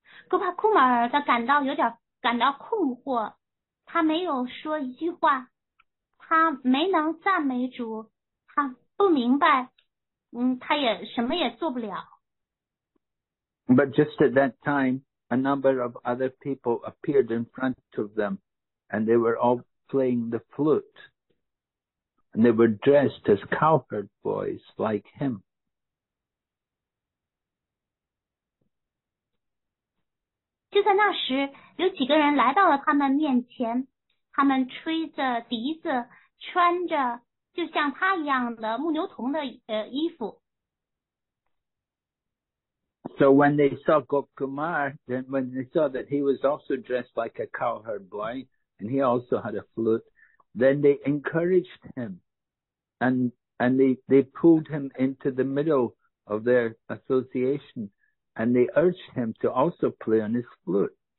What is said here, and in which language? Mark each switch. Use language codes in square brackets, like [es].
[zh] 古帕库马尔他感到困惑，他没有说一句话，他没能赞美主，他不明白，他也什么也做不了。 [en] But just at that time, a number of other people appeared in front of them, and they were all playing the flute. And they were dressed as cowherd boys like him. [zh] 就在那时，有几个人来到了他们面前，他们吹着笛子，穿着就像他一样的牧牛童的衣服。 [en] So when they saw Gopkumar, then when they saw that he was also dressed like a cowherd boy, and he also had a flute, then they encouraged him, and they pulled him into the middle of their association, and they urged him to also play on his flute.